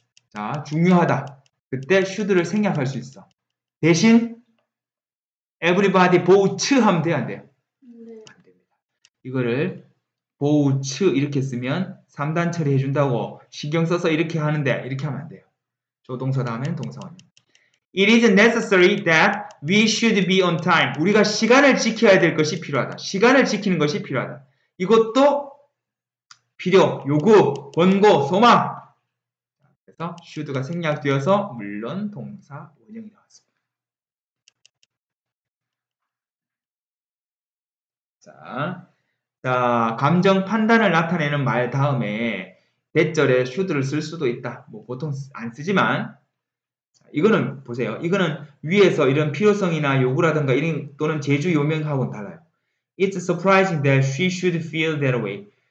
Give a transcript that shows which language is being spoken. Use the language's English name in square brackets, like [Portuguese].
[Korean] 자, 중요하다. 그때 should를 생략할 수 있어. 대신 everybody vote 하면 돼, 안 돼요? 이거를 보우츠 이렇게 쓰면 3단 처리 해준다고 신경 써서 이렇게 하는데 이렇게 하면 안 돼요. 조동사 다음엔 동사원. [English] It is necessary that we should be on time. [Korean] 우리가 시간을 지켜야 될 것이 필요하다. 시간을 지키는 것이 필요하다. 이것도 필요, 요구, 권고, 소망. 그래서 should가 생략되어서 물론 동사 원형이 나왔습니다. 자. 자, 감정 판단을 나타내는 말 다음에 대절에 should를 쓸 수도 있다. 뭐 보통 안 쓰지만 자, 이거는 보세요. 이거는 위에서 이런 필요성이나 요구라든가 이런 또는 제주 요명하고는 달라요. [English] It's surprising that she should feel that way.